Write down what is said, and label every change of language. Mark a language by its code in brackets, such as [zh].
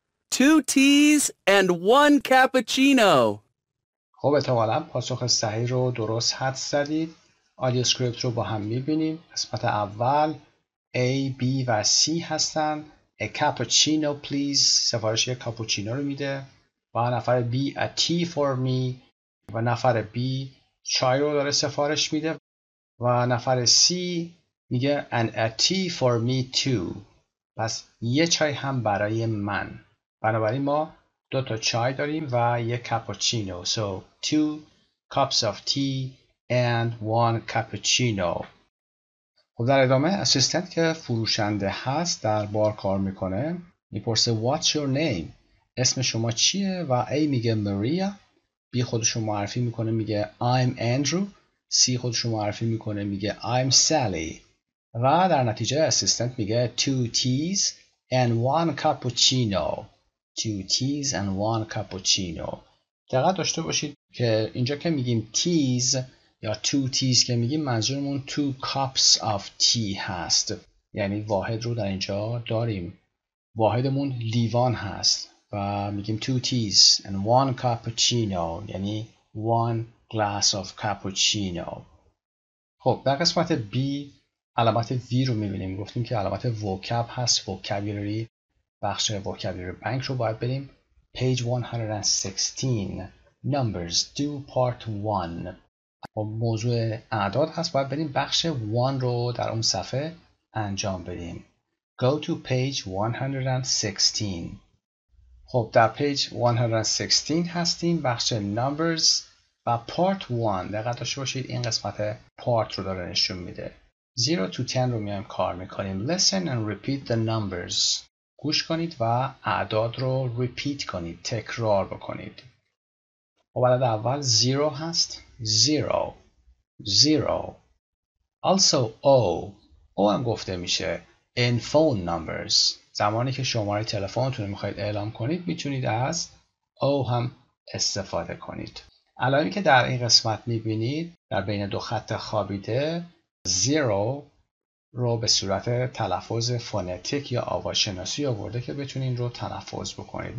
[en] Two teas and one cappuccino. [fa] خب احتمالا پاسخ صحیح رو درست حد زدید. آدیو اسکریپت رو با هم میبینیم. قسمت اول A, B و C هستن. [en] A cappuccino please. [fa] سفارش یک کاپوچینو رو میده. و نفر [en] B A tea for me. [fa] و نفر B چای رو داره سفارش میده. و نفر C میگه [en] And a tea for me too. [fa] پس یه چای هم برای من. بنابراین ما دو تا چای داریم و یه کاپوچینو. [en] So two cups of tea and one cappuccino. [fa] خب در ادامه اسیستنت که فروشنده هست در بار کار میکنه میپرسه [en] What's your name؟ [fa] اسم شما چیه؟ و A میگه Maria. B خودشو معرفی میکنه میگه [en] I'm Andrew. [fa] C خودشو معرفی میکنه میگه [en] I'm Sally. [fa] و در نتیجه اسیستنت میگه [en] Two teas and one cappuccino. Two teas and one cappuccino. [fa] دقت داشته باشید که اینجا که میگیم teas یا two teas که میگیم منظورمون [en] two cups of tea [fa] هست. یعنی واحد رو در اینجا داریم. واحدمون لیوان هست. و میگیم [en] two teas and one cappuccino. [fa] یعنی [en] one glass of cappuccino. [fa] خب در قسمت B علامت V رو میبینیم. گفتیم که علامت vocab هست. Vocabulary. بخش vocabulary bank رو باید بریم. [en] Page 116. Numbers. Do part 1. [fa] و موضوع اعداد هست باید بریم بخش 1 رو در اون صفحه انجام بدیم. [en] Go to page 116. [fa] خب در پیج 116 هستیم. بخش numbers و part 1. دقت داشته باشید این قسمت part رو داره نشون میده. 0 to 10 رو میایم کار میکنیم. [en] Listen and repeat the numbers. [fa] گوش کنید و اعداد رو repeat کنید. تکرار بکنید. خب عدد اول 0 هست. [en] Zero, zero. Also O [fa] هم گفته میشه [en] in phone numbers. [fa] زمانی که شماره تلفنتون رو میخواید اعلام کنید میتونید از O هم استفاده کنید. علائمی که در این قسمت میبینید در بین دو خط خوابیده zero رو به صورت تلفظ فونتیک یا آواشناسی آورده که بتونید رو تلفظ بکنید.